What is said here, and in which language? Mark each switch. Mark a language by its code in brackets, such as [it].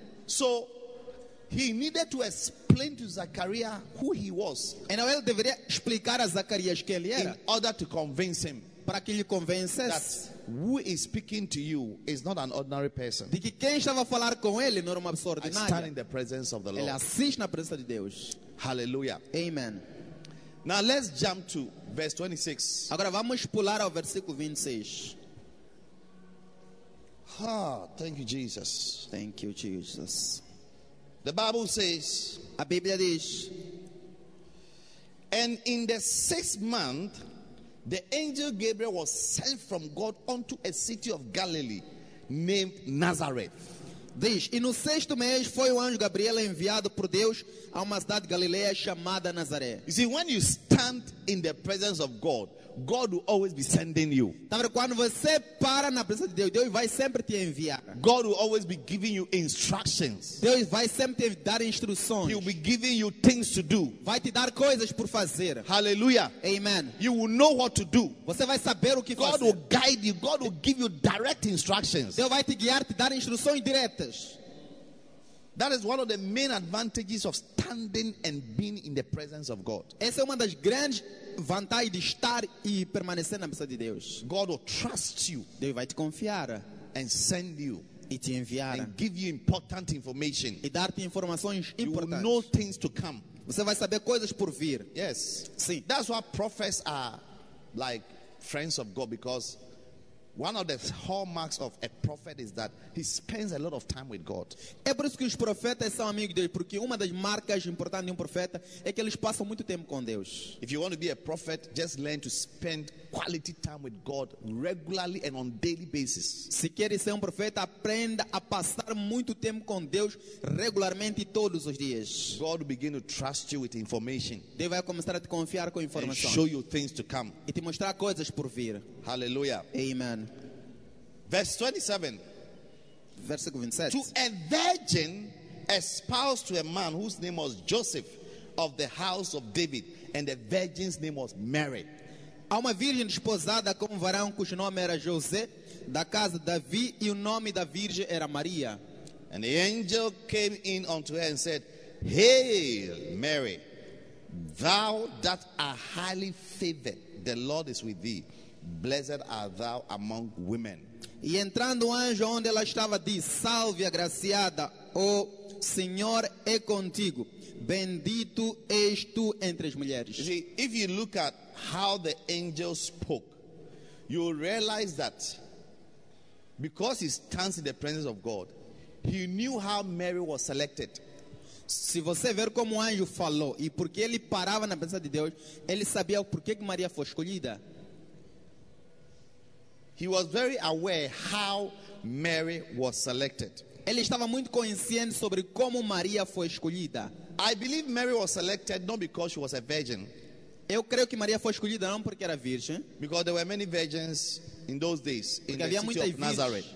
[en] So he needed to explain to Zachariah who he was. [pt] And ele deveria explicar a Zacarias quem ele era. [en] In order to convince him. [pt] Para que ele convence. [en] That who is speaking to you is not an ordinary person. [pt] De que quem estava a falar com ele não era uma pessoa ordinária. [en] I stand in the presence of the Lord. [pt] Ele assiste na presença de Deus. [en] Hallelujah. [pt] Amen. [en] Now let's jump to verse 26. [pt] Agora vamos pular ao versículo 26. [en] Thank you, Jesus. Thank you, Jesus. The Bible says, [pt] a Bíblia diz, [en] and in the sixth month, the angel Gabriel was sent from God unto a city of Galilee named Nazareth. [pt] Diz, e no sexto mês foi o anjo Gabriel enviado por Deus a uma cidade de Galileia chamada Nazaré. [en] You see, when you stand in the presence of God, God will always be sending you. [pt] Quando você para na presença de Deus, Deus vai sempre te enviar. [en] God will always be giving you instructions. [pt] Deus vai sempre te dar instruções. [en] He will be giving you things to do. [pt] Vai te dar coisas por fazer. [en] Hallelujah. [pt] Amen. [en] You will know what to do. [pt] Você vai saber o que [en] God [pt] fazer. [en] Will guide you. God will give you direct instructions. [pt] Deus vai te guiar, te dar instruções diretas. [en] That is one of the main advantages of standing and being in the presence of God. [pt] Essa é uma das grandes vantagens de estar e permanecer na presença de Deus. [en] God will trust you. [pt] Deus vai te confiar. [en] And send you. [pt] E te enviar. [en] And give you important information. [pt] E dar-te informações importantes. [en] You will know things to come. [pt] Você vai saber coisas por vir. [en] Yes. [pt] Sim. [en] That's why prophets are like friends of God, because one of the hallmarks of a prophet is that he spends a lot of time with God. [pt] É por isso que os profetas são amigos de Deus, porque uma das marcas importantes de um profeta é que eles passam muito tempo com Deus. [en] If you want to be a prophet, just learn to spend quality time with God regularly and on daily basis. [pt] Se quer ser um profeta, aprenda a passar muito tempo com Deus regularmente todos os dias. [en] God will begin to trust you with information. [pt] Deus vai começar a te confiar com informação. [en] And show you things to come. [pt] E te mostrar coisas por vir. [en] Hallelujah. [pt] Amen. [en] Verse 27. Verse 27. To a virgin espoused to a man whose name was Joseph of the house of David, and the virgin's name was Mary. [pt] A uma virgem esposada com um varão cujo nome era José, da casa de Davi, e o nome da virgem era Maria. [en] And the angel came in unto her and said, Hail Mary, thou that art highly favored, the Lord is with thee. Blessed art thou among women. [pt] E entrando o anjo onde ela estava, disse, Salve, agraciada, o Senhor é contigo. Bendito és tu entre as mulheres. [en] You see, if you look at how the angel spoke, you will realize that because he stands in the presence of God, he knew how Mary was selected. [pt] Se você ver como o anjo falou e porque ele parava na presença de Deus, ele sabia por que Maria foi escolhida. [en] He was very aware how Mary was selected. [pt] Ele estava muito consciente sobre como Maria foi escolhida. [en] I believe Mary was selected not because she was a virgin. [pt] Eu creio que Maria foi escolhida não porque era virgem. [en] Because there were many virgins in those days in the city of Nazareth.